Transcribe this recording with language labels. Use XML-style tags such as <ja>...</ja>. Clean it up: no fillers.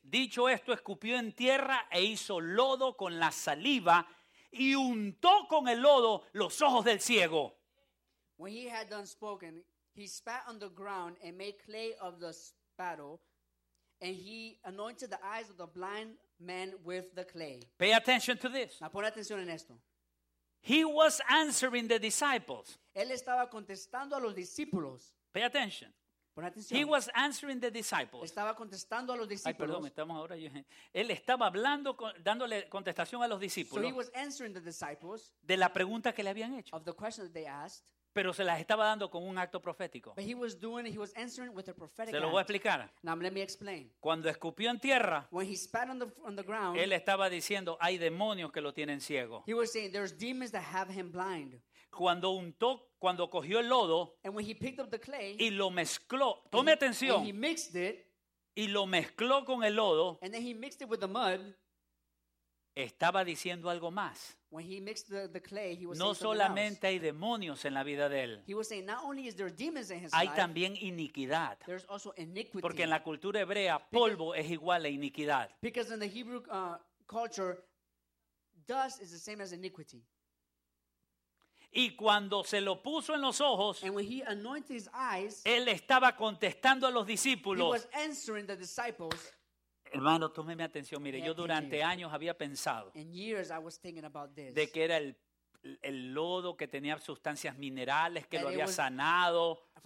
<es>Dicho esto, escupió en tierra e hizo lodo con la saliva y untó con el lodo los ojos del ciego.</es> <en>When he had done spoken, he spat on the ground and made clay of the spittle, and he anointed the eyes of the blind man with the clay. Pay attention to this.</en> <es>Now, pon atención en esto.</es> <en>He was answering the disciples.</en> <es>Él estaba contestando a los discípulos.</es> <en>Pay attention.</en> <es>Pon atención.</es> <en>He was answering the disciples.</en> <es>Estaba contestando a los discípulos. Ay, perdón, estamos ahora. Él estaba hablando, dándole contestación a los discípulos.</es> <en>So he was answering the disciples.</en> <es>De la pregunta que le habían hecho.</es> <en>Of the question that they asked.</en> <es>Pero se las estaba dando con un acto profético.</es> <en>But he was doing, he was answering with a prophetic</en> <es>se lo voy a explicar.</es> <en>Now, let me explain.</en> <es>Cuando escupió en tierra,</es> <en>when he spat on the ground,</en> <es>él estaba diciendo, hay demonios que lo tienen ciego.</es> <en>He was saying, there's demons that have him blind.</en> <es>Cuando untó, cuando cogió el lodo,</es> <en>and when he picked up the clay,</en> <es>y lo mezcló, tome atención,</es> <en>and he mixed it,</en> <es>y lo mezcló con el lodo,</es> <en>and then he mixed it with the mud,</en> <es>estaba diciendo algo más.</es> <en>When he mixed the clay, he was</en> <es>no solamente hay demonios en la vida de él.</es> <en>He was saying not only is there demons in his</en> <es>hay</es> <en>life,</en> <es>también iniquidad.</es> <en>There's also iniquity.</en> <es>Porque en la cultura hebrea polvo because, es igual a iniquidad.</es> <en>Because in the Hebrew culture, dust is the same as iniquity.</en> <es>Y cuando se lo puso en los ojos,</es> <en>and when he anointed his eyes,</en> <es>él estaba contestando a los discípulos.</es> <en>He was answering the disciples.</en> <es>Hermano, tome mi atención. Mire, yo durante años había pensado de que era el lodo que tenía sustancias minerales que lo había sanado.</es>